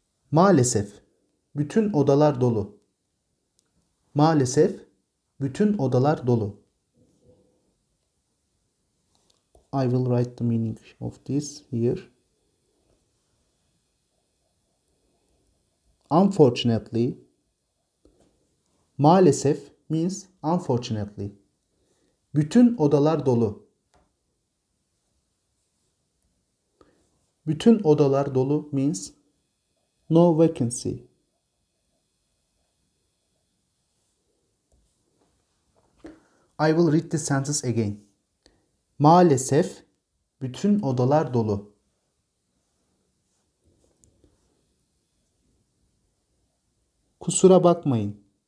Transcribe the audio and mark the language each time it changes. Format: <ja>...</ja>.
<tr>Maalesef, bütün odalar dolu. Maalesef, bütün odalar dolu.</tr> <en>I will write the meaning of this here. Unfortunately, maalesef means unfortunately.</en> <tr>Bütün odalar dolu. Bütün odalar dolu</tr> <en>means no vacancy. I will read the sentence again.</en> <tr>Maalesef bütün odalar dolu. Kusura bakmayın.</tr>